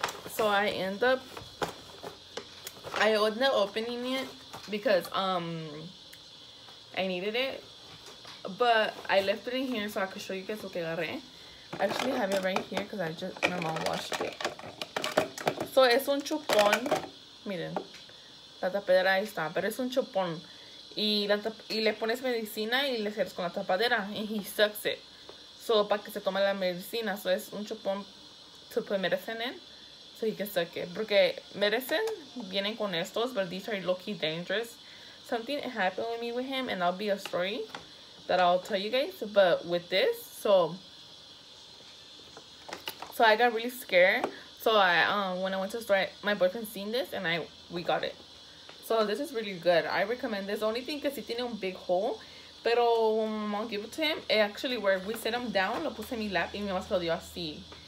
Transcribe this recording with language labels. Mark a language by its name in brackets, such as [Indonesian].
[English] So I ended up opening it because I needed it, but I left it in here so I could show you guys what I got. I actually have it right here because my mom washed it. So it's [Spanish] un chupón. Miren, la tapadera ahí está, pero es un chupón. Y, la tap- y le pones medicina y le cierras con la tapadera. [English] And he sucks it. [Spanish] So, para que se tome la medicina. [English] So, [Spanish] es un chupón [English] to put medicine in. So, he can suck it. [Spanish] Porque [English] medicine [Spanish] vienen con estos, [English] but these are low-key dangerous. Something happened with me with him, and that'll be a story that I'll tell you guys. But with this, so I got really scared. So, when I went to the store, my boyfriend seen this, and we got it. So, this is really good. I recommend this. The only thing, because he [Spanish] tiene un [English] big hole, [Spanish] pero [English] when my mom gave it to him, it actually worked. We set him down, [Spanish] lo puse en mi lap, y mi mamá se lo dio así.